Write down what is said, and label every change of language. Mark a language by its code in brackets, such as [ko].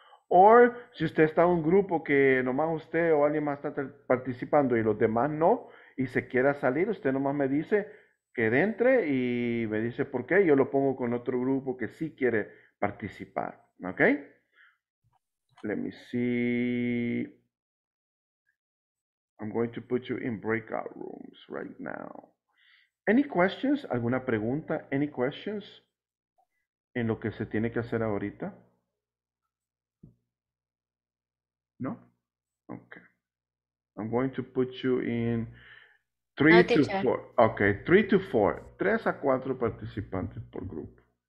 [es] Or si usted está en un grupo que nomás usted o alguien más está participando y los demás no, y se quiera salir, usted nomás me dice que entre y me dice por qué. Yo lo pongo con otro grupo que sí quiere participar. ¿Ok? [en] Let me see. I'm going to put you in breakout rooms right now. Any questions? [es] ¿Alguna pregunta? [en] Any questions? [es] ¿En lo que se tiene que hacer ahorita? [en] No? Okay. I'm going to put you in 3 to 4. Okay, 3 to 4. [es] 3 a 4 participantes por grupo.